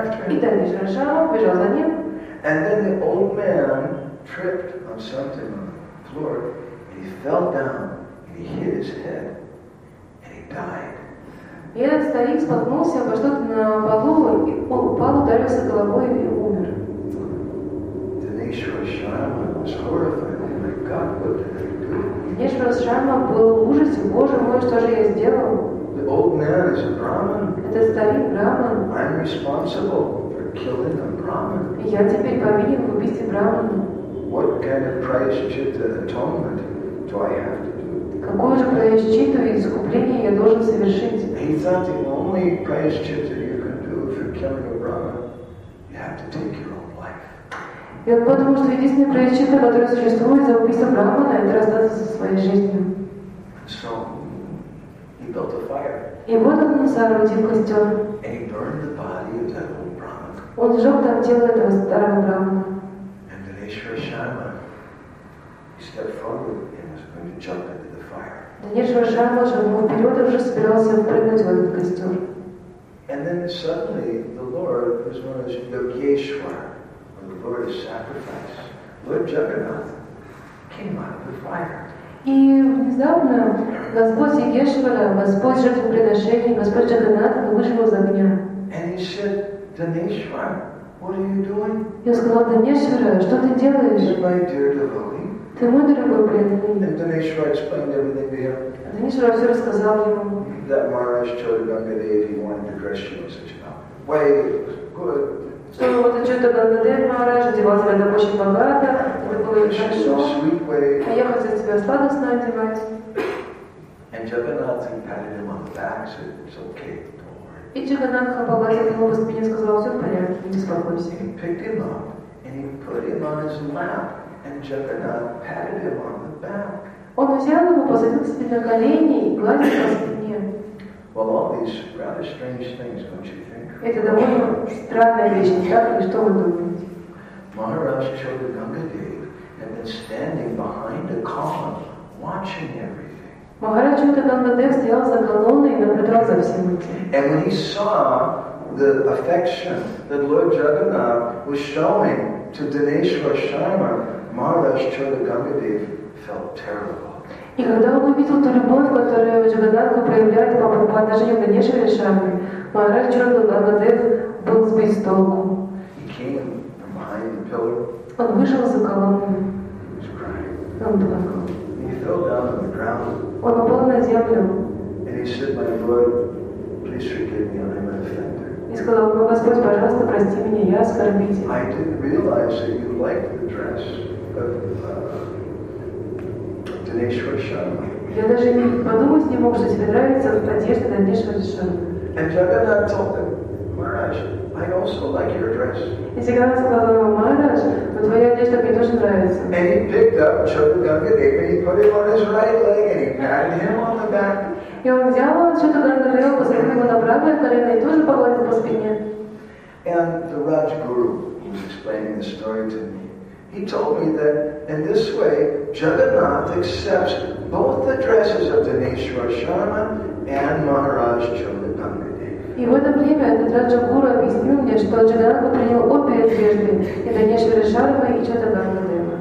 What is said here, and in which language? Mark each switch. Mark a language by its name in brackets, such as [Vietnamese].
[Russian] И Даниэшвар Шарма бежал за ним. [English] And then the old man tripped on something on the floor, and he fell down, and he hit his head, and he died. [Russian] И этот старик споткнулся обо что-то на полу, и он упал, ударился головой и умер. [English] Daneshwar Sharma was horrified. Oh my God, what did I do? [Russian] Daneshwar Sharma был в ужасе. Боже мой, что же я сделал? [English] The old man is a Brahman. [Russian] Этот старик Брахман. [English] I'm responsible for killing a Brahman. [Russian] Я теперь повинен в убийстве Брахмана. [English] What kind of prayer atonement do I have to? [Russian] Какое же прайс-читу и искупление я должен совершить? [English] He thought the only prayas-chitta you can do for killing a brahman, you have to take your own life. [Russian] Я подумал, что единственное прайс-читта, которое существует за убийство брахмана, это расстаться со своей жизнью. [English] So he built a fire. [Russian] И вот он соорудил костер. [English] And he burned the body of that old brahman. [Russian] Он сжег там тело этого старого брахмана. [English] And Daneshwar Sharma, he stepped forward and was going to jump into the fire. [Russian] Даниэшвар Шарма шагнул вперед и уже собирался прыгнуть в этот костер. [English] And then suddenly the Lord, who's known as Yogeshwar, when the Lord is sacrificed, Lord Jagannath came out of the fire. [Russian] И внезапно Господь Йогешвара, Господь жертвоприношений, Господь Джаганнат вышел из огня. [English] And he said, Daneshwar, what are you doing? [Russian] Я сказал, Даниэшвара, что ты делаешь? [English] My dear devotee. [Russian] Ты мой дорогой преданный. [English] And Daneshwar explained everything to him. [Russian] Даниэшвар все рассказал ему. [English] That Maharaj told Gangadev he wanted to dress you in such a way. Good. [Russian] Что вот что-то Гангадев Махарадж одевал тебя так очень богато, это было хорошо. [English] Sweet way. [Russian] А я хотел тебя сладостно одевать. [English] And Jagannath patted him on the back, said, "It's okay, don't worry." [Russian] И Джаганнат погладил его по спине и сказал, "Все в порядке, не беспокойся." [English] He picked him up and he put him on his lap. And Jagannath patted him on the back. [Russian] Он взял его, посадил себе на колени и гладил по спине. [English] Well, all these rather strange things, don't you think? [Russian] Это довольно странная вещь, не так ли? Что вы думаете? [English] Maharaj Chota Gangadev had been standing behind a column, watching everything. [Russian] Maharaj Chota Gangadev стоял за колонной и наблюдал за всем этим. [English] And when he saw the affection that Lord Jagannath was showing to Daneshwar Sharma, Maharaj Chota Gangadev felt terrible. [Russian] И когда он увидел ту любовь, которую Джаганнат проявляет по отношению к Даниэшвар Шарме, Maharaj Chota Gangadev был сбит с толку. [English] He came from behind the pillar. [Russian] Он вышел за колонну. [English] He was crying. [Russian] Он плакал. [English] He fell down on the ground. [Russian] Он упал на землю. [English] And he said, "My Lord, please forgive me, I'm an offender." [Russian] И сказал: «О, Господь, пожалуйста, прости меня, я оскорбитель». [English] I didn't realize that you liked the dress of Dhaneshwar Sharma. [Russian] Я даже не подумать не мог, что тебе нравится одежда Dhaneshwar Sharma. [English] And Jagannath told him, Maharaj, I also like your dress. [Russian] И Jagannath сказал ему: «Maharaj, но твоя одежда мне тоже нравится». [English] And he picked up Chaturgangadev and he put him on his right leg and he patted him on the back. [Russian] И он взял Чатурганга-дева, посадил его на правое колено и тоже погладил по спине. [English] And the Rajguru was explaining the story to me. He told me that in this way, Jagannath accepts both the dresses of Dhaneshwar Sharma and Maharaj Chaturganga-dev. [Russian] И в это время этот Раджа-гуру объяснил мне, что Джаганнатха принял обе одежды, и Dhaneshwara Sharma, и Чатурганга-дева.